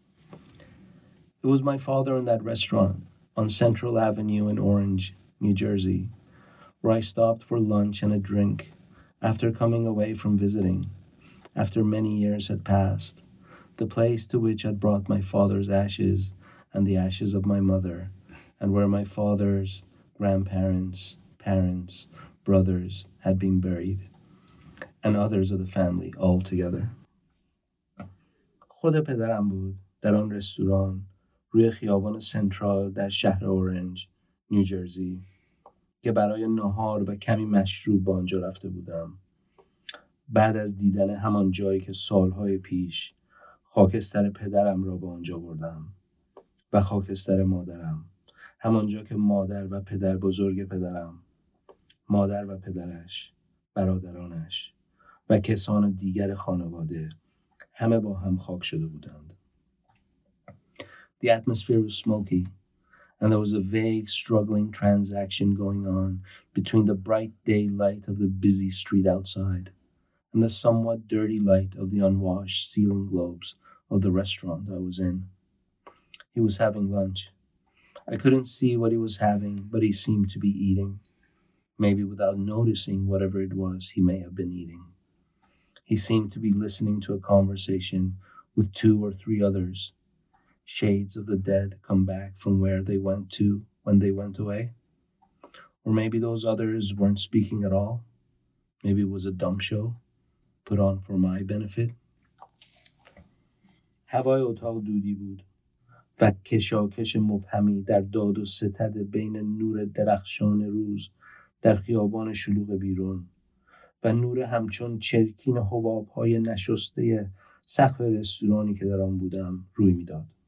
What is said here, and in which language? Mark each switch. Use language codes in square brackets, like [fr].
[en] It was my father in that restaurant on Central Avenue in Orange, New Jersey, where I stopped for lunch and a drink after coming away from visiting, after many years had passed, the place to which I'd brought my father's ashes and the ashes of my mother, and where my father's grandparents, parents, brothers had been buried, and others of the family all together. [fa] خود پدرم بود در آن رستوران روی خیابان سنترال در شهر اورنج، نیو جرزی که برای نهار و کمی مشروب با آنجا رفته بودم. بعد از دیدن همان جایی که سالهای پیش خاکستر پدرم را به آنجا بردم و خاکستر مادرم، همانجا که مادر و پدر بزرگ پدرم، مادر و پدرش، برادرانش و کسان دیگر خانواده همه با هم خاک شده بودند. [en] The atmosphere was smoky, and there was a vague, struggling transaction going on between the bright daylight of the busy street outside and the somewhat dirty light of the unwashed ceiling globes of the restaurant I was in. He was having lunch. I couldn't see what he was having, but he seemed to be eating, maybe without noticing whatever it was he may have been eating. He seemed to be listening to a conversation with two or three others, shades of the dead come back from where they went to when they went away. Or maybe those others weren't speaking at all. Maybe it was a dumb show put on for my benefit. [fa] هوای اتاق دودی بود و کشاکش مبهمی در داد و ستد بین نور درخشان روز در خیابان شلوغ بیرون و نور همچون چرکین حباب‌های نشسته سقف رستورانی که در آن بودم روی می‌داد.